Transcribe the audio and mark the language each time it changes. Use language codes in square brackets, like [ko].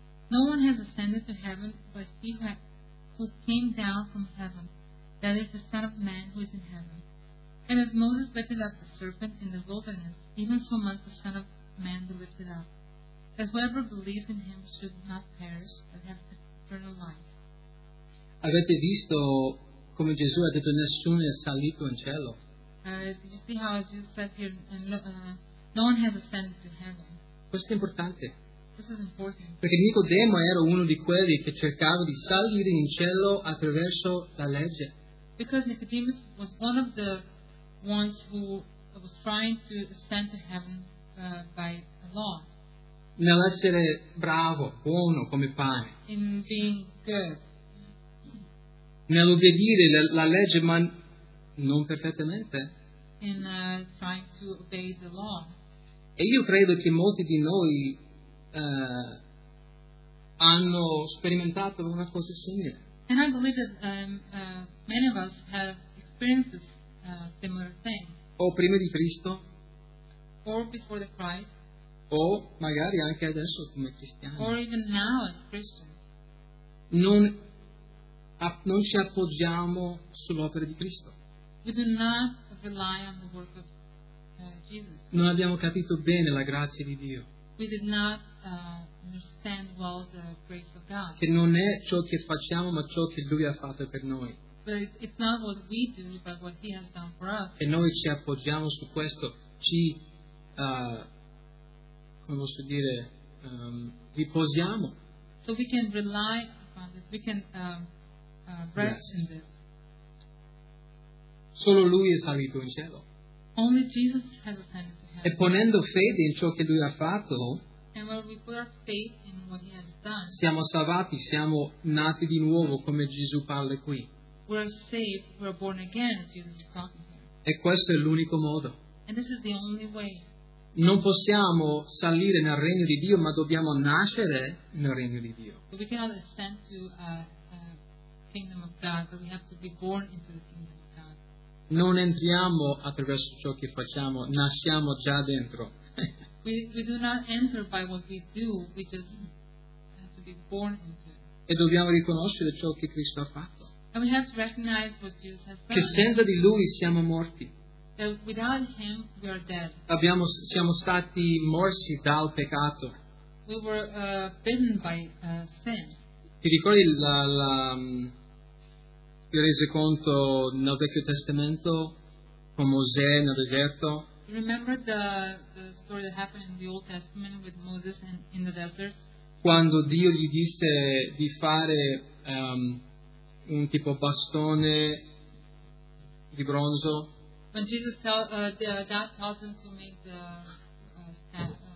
[en] No one has ascended to heaven but he who came down from heaven, that is the Son of Man who is in heaven. And as Moses lifted up the serpent in the wilderness, even so must the Son of Man be lifted up, as whoever believes in him should not perish but have eternal life. [it] Avete visto come Gesù ha detto nessuno è salito in cielo? [en] Did you see how Jesus said here, no one has ascended to heaven? [it] Questo è importante. [en] This is important. [it] Perché Nicodemo era uno di quelli che cercava di salire in cielo attraverso la legge. [en] Because Nicodemus was one of the ones who was trying to ascend to heaven by law. [it] Nell'essere bravo, buono come pane. [en] In being good. [it] Nell'obbedire la legge, ma non perfettamente. [en] Trying to obey the law. [it] E io credo che molti di noi hanno sperimentato una cosa simile. [en] And I believe that many of us have experienced this similar thing. [it] O prima di Cristo. [en] Or before the Christ. [it] O magari anche adesso come cristiani. [en] Or even now as Christians. [it] Non ci appoggiamo sull'opera di Cristo. [en] We do not rely on the work of Jesus. [it] Non abbiamo capito bene la grazia di Dio. [en] We did not understand well the grace of God. [it] Che non è ciò che facciamo, ma ciò che Lui ha fatto per noi. [en] So it's not what we do, but what He has done for us. [it] E noi ci appoggiamo su questo, ci come posso dire, riposiamo. [en] So we can rely upon this. We can rest in this. [it] Solo Lui è salito in cielo. [en] Only Jesus has ascended to heaven. [it] E ponendo fede in ciò che Lui ha fatto, [en] and when we put our faith in what He has done, [it] siamo salvati, siamo nati di nuovo, come Gesù parla qui. [en] We are saved, we are born again, as Jesus is talking here. [it] E questo è l'unico modo. [en] And this is the only way. [it] Non possiamo salire nel regno di Dio, ma dobbiamo nascere nel regno di Dio. [en] But we cannot ascend to the kingdom of God, but we have to be born into the kingdom. [it] Non entriamo attraverso ciò che facciamo, nasciamo già dentro. [en] We do not enter by what we do, we just have to be born into it. [it] E dobbiamo riconoscere ciò che Cristo ha fatto. [en] And we have to recognize what Jesus has done. [it] Che senza di Lui siamo morti. [en] That without Him we are dead. [it] Siamo stati morsi dal peccato. [en] We were bitten by sin. [it] Ti ricordi ti rese conto nel Vecchio Testamento con Mosè nel deserto? [en] Remember the story that happened in the Old Testament with Moses in the desert? [it] Quando Dio gli disse di fare un tipo bastone di bronzo. [en] When Jesus God told him to make the staff,